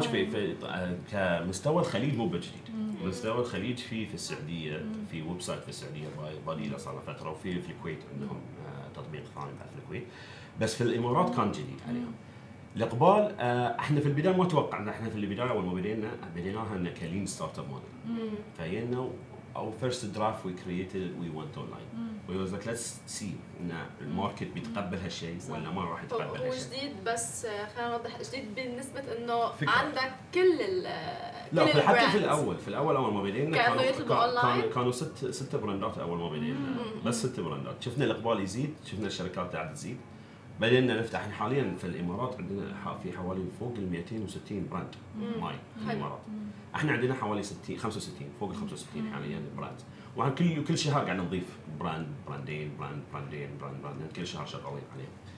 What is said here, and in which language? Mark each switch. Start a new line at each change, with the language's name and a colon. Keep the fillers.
Arabic: شوفي كمستوى الخليج مو بجديد، مستوى الخليج في في السعوديه في ويب سايت في السعوديه ضليله صار فتره وفي في الكويت عندهم تطبيق ثاني بعد في الكويت بس في الامارات كان جديد عليهم. الاقبال احنا في البدايه ما توقعنا احنا في البدايه اول ما بدينا بديناها ان كلين ستارت اب موديل.
English: فجينا our first draft we created we went online mm. we was like let's see
Arabic: ان الماركت بيتقبل هالشيء ولا ما راح يتقبل هالشيء وجديد بس خلينا نوضح جديد بالنسبه انه عندك كل ال لا في حتى في الاول في الاول اول ما بدينا كانوا كانوا, كانوا كانوا ست ست براندات اول ما بدينا بس ست براندات شفنا الاقبال يزيد شفنا الشركات قاعده تزيد بدينا نفتح حاليا في الامارات عندنا في حوالي فوق ال 260 براند ماي في الامارات احنا عندنا حوالي 60 65 فوق ال 65 حاليا براند وعن كل كل شهر قاعد نضيف براند براندين براند براندين براند براند كل شهر شغالين عليه